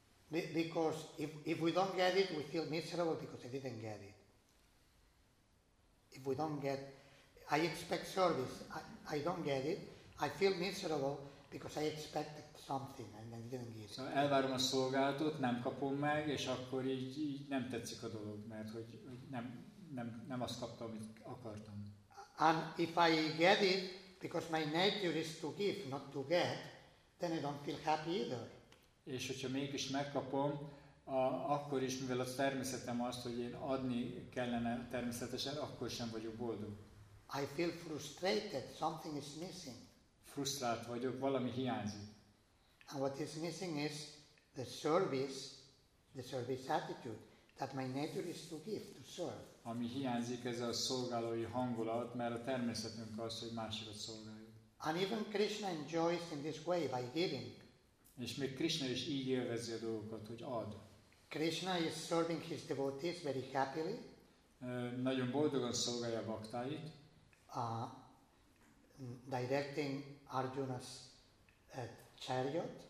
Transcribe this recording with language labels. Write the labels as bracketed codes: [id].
[en] Because if we don't get it, we feel miserable because we didn't get it. If we don't get, I expect service, I don't get it, I feel miserable because I expected something and then didn't get it. [hu] So elvárom a szolgálatot, nem kapom meg, és akkor így nem tetszik a dolog, mert hogy nem azt kaptam, amit akartam. [en] And if I get it, because my nature is to give, not to get, then I don't feel happy either. [hu] És hogyha mégis megkapom, akkor is, mivel a természetem az, hogy én adni kellene természetesen, akkor sem vagyok boldog. [en] I feel frustrated, something is missing. [hu] Frusztrált vagyok, valami hiányzik. [en] And what is missing is the service attitude, that my nature is to give, to serve. [hu] Ami hiányzik, ez a szolgálói hangulat, mert a természetünk az, hogy másikat szolgáljuk. [en] And even Krishna enjoys in this way by giving. [hu] És még Krishna is így élvezi a dolgokat, hogy ad. [en] Krishna is serving his devotees very happily. [hu] Nagyon boldogan szolgálja a baktáit. [en] Directing Arjuna's chariot.